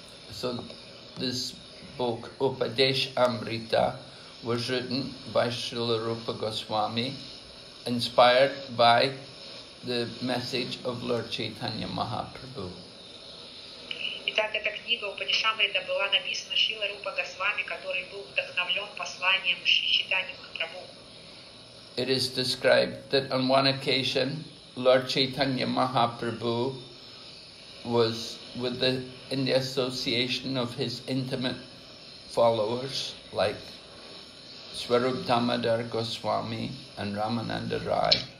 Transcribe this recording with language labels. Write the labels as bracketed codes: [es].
[en] So this book, Upadesh Amrita, was written by Srila Rupa Goswami, inspired by the message of Lord Chaitanya Mahaprabhu. [ru] Итак, эта книга Упадешамрита была написана Шрила Рупа Госвами, который был вдохновлен посланием Шри Чайтаньи Махапрабху. [en] it is described that on one occasion, Lord Chaitanya Mahaprabhu was with the in the association of his intimate followers like Swarup Damodar Goswami and Ramananda Rai.